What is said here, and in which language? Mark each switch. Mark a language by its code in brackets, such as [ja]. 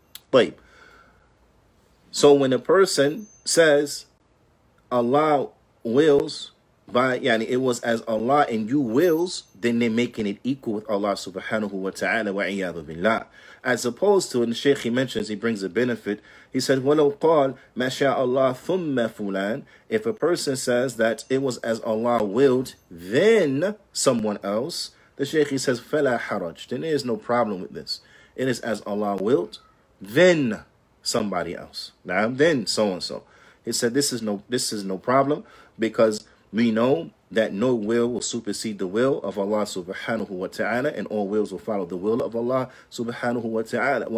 [en] But so when a person says Allah wills, by yani it was as Allah and you wills, then they're making it equal with Allah subhanahu wa ta'ala wa iyadu billah. As opposed to, and the Shaykh, he mentions, he brings a benefit. He said, [ar] وَلَوْ قَالْ مَا شَاءَ اللَّهُ ثُمَّ فُلَانَ. [en] If a person says that it was as Allah willed, then someone else, the Shaykh, he says, [ar] فَلَا حَرَجْ. [en] Then there is no problem with this. It is as Allah willed, then somebody else. Now, then so-and-so. He said, this is no problem because we know that no will will supersede the will of Allah subhanahu wa ta'ala, and all wills will follow the will of Allah subhanahu wa ta'ala.